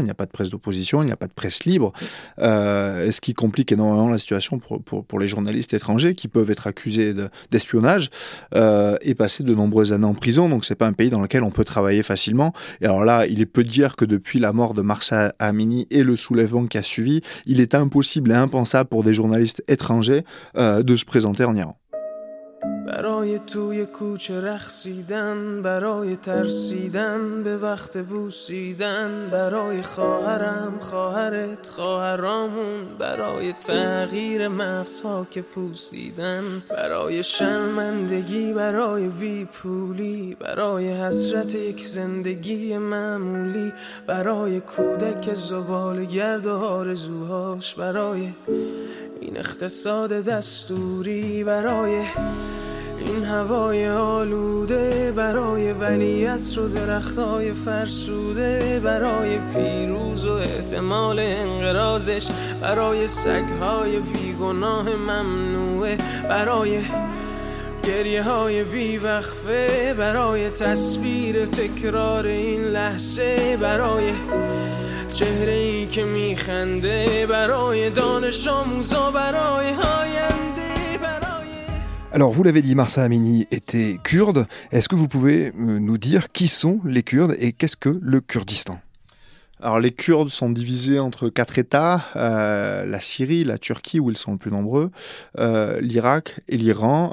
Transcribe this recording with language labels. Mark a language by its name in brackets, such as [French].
[French] Il n'y a pas de presse d'opposition. Il n'y a pas de presse libre. Ce qui complique énormément la situation pour les journalistes étrangers qui peuvent être accusés d'espionnage et passer de nombreuses années en prison. Donc c'est pas un pays dans lequel on peut travailler facilement. Et alors là, il est peu de dire que depuis la mort de Mahsa Amini et le soulèvement qui a suivi, il est impossible et impensable pour des journalistes étrangers de se présenter en Iran. [Persian] برای توی کوچه رقصیدن برای ترسیدن به وقت بوسیدن برای خواهرم خواهرت خواهرامون برای تغییر مغزها که پوسیدن برای شرمندگی برای بیپولی برای حسرت یک زندگی معمولی برای کودک زبال گرد و آرزوهاش برای این اقتصاد دستوری برای این هوای آلوده برای ولیعصر و درختای فرسوده برای پیروز و احتمال انقراضش برای سگهای بیگناه ممنوعه برای گریه های بیوقفه برای تصویر تکرار این لحظه برای چهره ای که میخنده برای دانش آموزا برای آینده برای. [French] Alors vous l'avez dit, Mahsa Amini était kurde. Est-ce que vous pouvez nous dire qui sont les Kurdes et qu'est-ce que le Kurdistan ? Alors les Kurdes sont divisés entre quatre États, la Syrie, la Turquie où ils sont le plus nombreux, l'Irak et l'Iran.